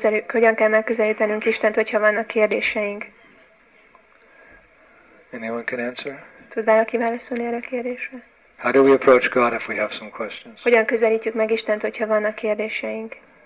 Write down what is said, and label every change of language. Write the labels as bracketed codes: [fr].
[hu] Hogyan kell megközelítenünk Istent, hogyha vannak kérdéseink? [en] Anyone can answer? [hu] Tud valaki válaszolni erre a kérdésre? [en] How do we approach God if we have some questions? [hu] Hogyan közelítjük meg Istent, hogyha vannak kérdéseink?